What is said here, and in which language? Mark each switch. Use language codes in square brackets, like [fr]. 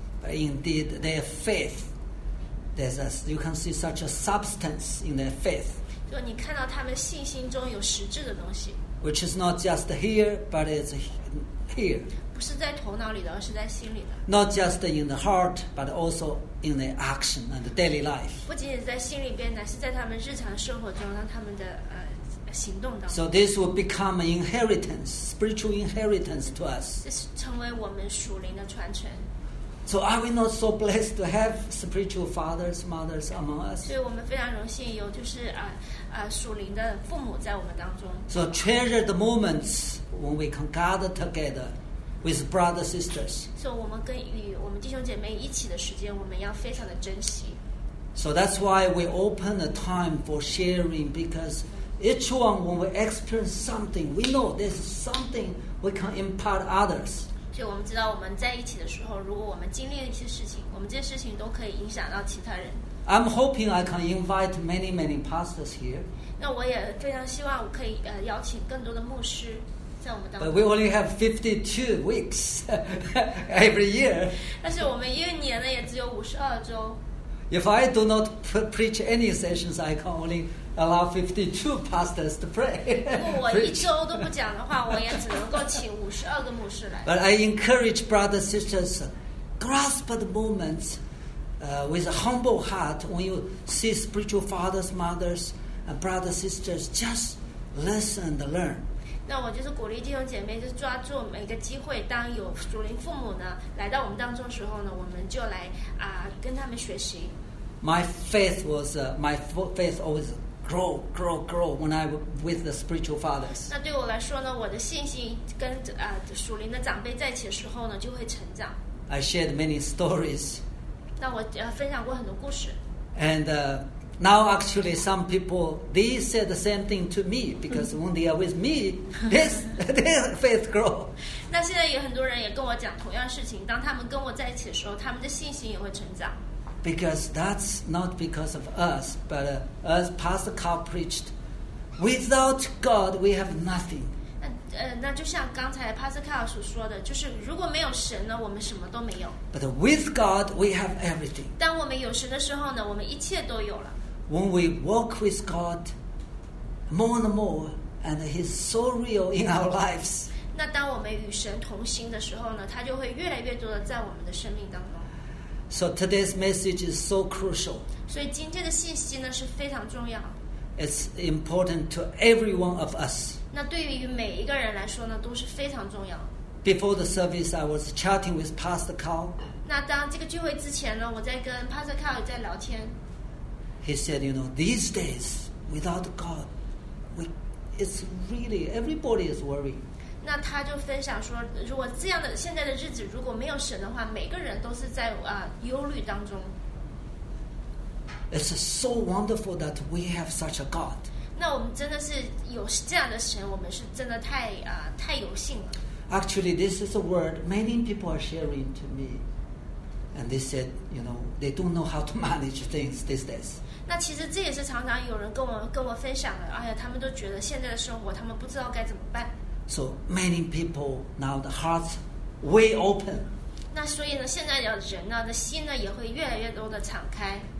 [en] Indeed, their faith, you can see such a substance in their faith. [zh] 就你看到他们信心中有实质的东西。 [en] Which is not just here, but it's here. [zh] 不是在头脑里的，而是在心里的。 [en] Not just in the heart, but also in the action and the daily life. [zh] 不仅仅在心里边，乃是在他们日常生活中，让他们的行动当中。 [en] So this will become an inheritance, spiritual inheritance to us. [zh] 这是成为我们属灵的传承。 [en] So are we not so blessed to have spiritual fathers, mothers among us? [zh] 所以我们非常荣幸有就是属灵的父母在我们当中。 [en] So treasure the moments when we can gather together with brothers, sisters. [zh] 所以我们跟与我们弟兄姐妹一起的时间，我们要非常的珍惜。 [en] So that's why we open the time for sharing because each one, when we experience something, we know there's something we can impart others. [zh] 所以我们知道我们在一起的时候如果我们经历一些事情我们这些事情都可以影响到其他人 [en] I'm hoping I can invite many many pastors here [zh] 那我也非常希望我可以邀请更多的牧师在我们当中 [en] But we only have 52 weeks every year [zh] 但是我们一年呢也只有52周 [en] If I do not preach any sessions I can onlyAllow 52 pastors to pray. [zh] 我一周都不讲的话，我也只能够请52个牧师来。 [en] But I encourage brothers and sisters, grasp the moments, with a humble heart when you see spiritual fathers, mothers, and brothers, sisters. Just listen and learn. [zh] 那我就是鼓励弟兄姐妹，就抓住每个机会。当有属灵父母呢来到我们当中时候呢，我们就来跟他们学习。 [en] My faith was my faith always. Grow when I was with the spiritual fathers. [zh] 那对我来说呢，我的信心跟属灵的长辈在一起的时候呢，就会成长。 [en] I shared many stories. [zh] 那我分享过很多故事。 [en] And now actually some people they said the same thing to me because when they are with me, their faith grow. [zh] 那现在有很多人也跟我讲同样事情，当他们跟我在一起的时候，他们的信心也会成长。 [en] Because that's not because of us, but as Pastor Carl preached, without God, we have nothing. [zh] 那就像刚才 Pastor Carl 所说的，就是如果没有神呢，我们什么都没有。 [en] But with God, we have everything. [zh] 当我们有神的时候呢，我们一切都有了。 [en] When we walk with God more and more, and He's so real in our lives. [zh] 那当我们与神同行的时候呢，他就会越来越多的在我们的生命当中。 [en] So today's message is so crucial. [zh] 所以今天的信息呢是非常重要。 [en] It's important to every one of us. [zh] 那对于每一个人来说呢，都是非常重要。 [en] Before the service, I was chatting with Pastor Carl. [zh] 那当这个聚会之前呢，我在跟 Pastor Carl 在聊天。 [en] He said, "You know, these days without God, it's really everybody is worried." [zh] 那他就分享说，如果这样的现在的日子如果没有神的话，每个人都是在忧虑当中。 [en] It's so wonderful that we have such a God. [zh] 那我们真的是有这样的神，我们是真的太有幸了。 [en] Actually, this is a word many people are sharing to me, and they said, you know, they don't know how to manage things these days. [zh] 那其实这也是常常有人跟我分享的。哎呀，他们都觉得现在的生活，他们不知道该怎么办。 [en] So many people now the hearts way open. [zh] 那所以呢，现在的人呢的心呢也会越来越多的敞开。